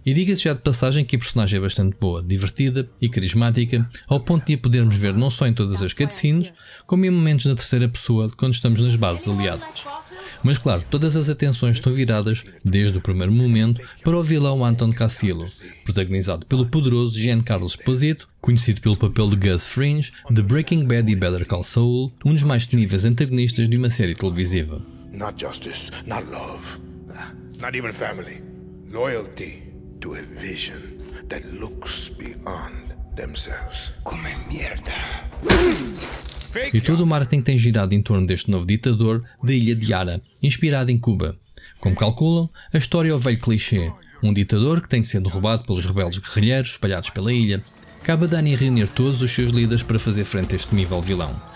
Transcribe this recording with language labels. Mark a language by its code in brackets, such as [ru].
[pt] E diga-se já de passagem que a personagem é bastante boa, divertida e carismática, ao ponto de a podermos ver não só em todas as cutscenes, como em momentos na terceira pessoa quando estamos nas bases aliadas. Mas claro, todas as atenções estão viradas, desde o primeiro momento, para o vilão Anton Cassilo, protagonizado pelo poderoso Giancarlo Esposito, conhecido pelo papel de Gus Fring, de Breaking Bad e Better Call Saul, um dos mais temíveis antagonistas de uma série televisiva. [en] Not justice, not love, not even family. Loyalty to a vision that looks beyond themselves. [pt] Como é merda! E todo o marketing tem girado em torno deste novo ditador da Ilha de Ara, inspirado em Cuba. Como calculam, a história é o velho clichê, um ditador que tem sido roubado pelos rebeldes guerrilheiros espalhados pela ilha. Cabe a Dani reunir todos os seus líderes para fazer frente a este temível vilão.